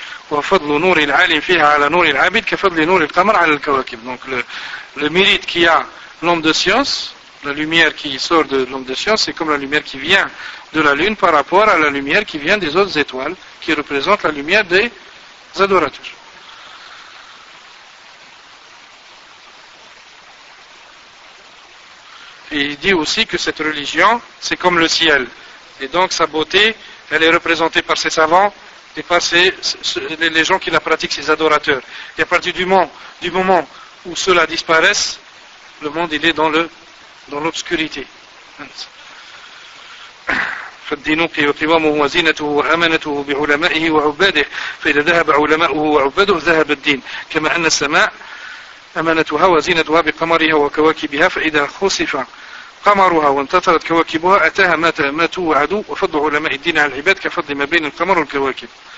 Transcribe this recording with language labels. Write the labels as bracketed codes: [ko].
[ar] وفضل نور العالم فيها على نور العابد كفضل نور القمر على الكواكب. [fr] Donc le mérite qu'il y a l'homme de science, la lumière qui sort de l'homme de science, c'est comme la lumière qui vient de la lune par rapport à la lumière qui vient des autres étoiles, qui représente la lumière des adorateurs. Et il dit aussi que cette religion, c'est comme le ciel, et donc sa beauté, elle est représentée par ses savants et par les gens qui la pratiquent, ses adorateurs. Et à partir du moment où ceux-là disparaissent, le monde il est dans l'obscurité. [ar] فالدين قوامه وزينته وأمانته بعلمائه وعباده فإذا ذهب علماؤه وعباده ذهب الدين كما أن السماء أمانتها وزينتها بقمرها وكواكبها فإذا خسف قمرها وانتثرت كواكبها أتاها ما توعدوا وفضل علماء الدين على العباد كفضل ما بين القمر والكواكب.